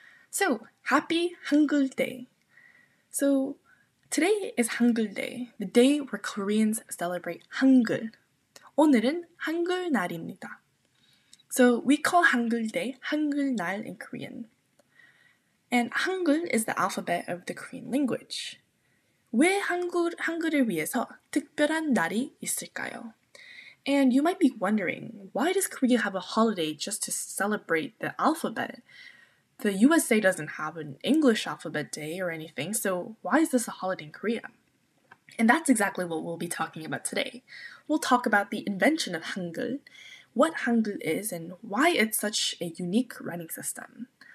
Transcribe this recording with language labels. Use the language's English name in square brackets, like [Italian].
[English] So, happy Hangul Day! So, today is Hangul Day, the day where Koreans celebrate Hangul. [Korean] 오늘은 Hangul 날입니다. [English] So, we call Hangul Day 한글 날 in Korean. And Hangul is the alphabet of the Korean language. [Korean] 왜 한글을 위해서 특별한 날이 있을까요? [English] And you might be wondering, why does Korea have a holiday just to celebrate the alphabet? The USA doesn't have an English alphabet day or anything, so why is this a holiday in Korea? And that's exactly what we'll be talking about today. We'll talk about the invention of Hangul, what Hangul is, and why it's such a unique writing system.